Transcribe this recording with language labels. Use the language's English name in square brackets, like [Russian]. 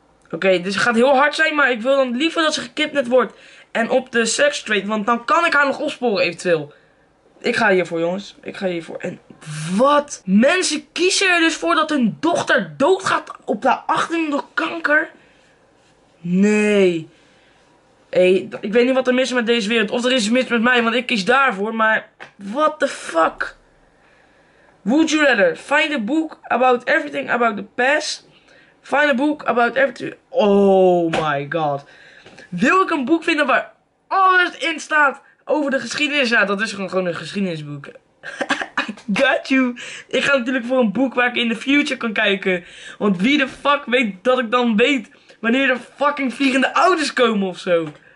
[Dutch] Oké, dus het gaat heel hard zijn, maar ik wil dan liever dat ze gekidnapt wordt en op de sex trade, want dan kan ik haar nog opsporen eventueel. Ik ga hiervoor, jongens. Ik ga hiervoor. En wat? Mensen kiezen er dus voor dat hun dochter doodgaat op de 18e door kanker? Nee. Hey, ik weet niet wat er mis is met deze wereld. Of er is mis met mij, want ik kies daarvoor. [English] Maar what the fuck? Would you rather find a book about everything about the past? Find a book about everything. Oh my god. [Dutch] Wil ik een boek vinden waar alles in staat over de geschiedenis? Ja, dat is gewoon een geschiedenisboek. [English] I got you. [Dutch] Ik ga natuurlijk voor een boek waar ik in de future kan kijken. Want wie de fuck weet dat ik dan weet wanneer er fucking vliegende ouders komen of zo.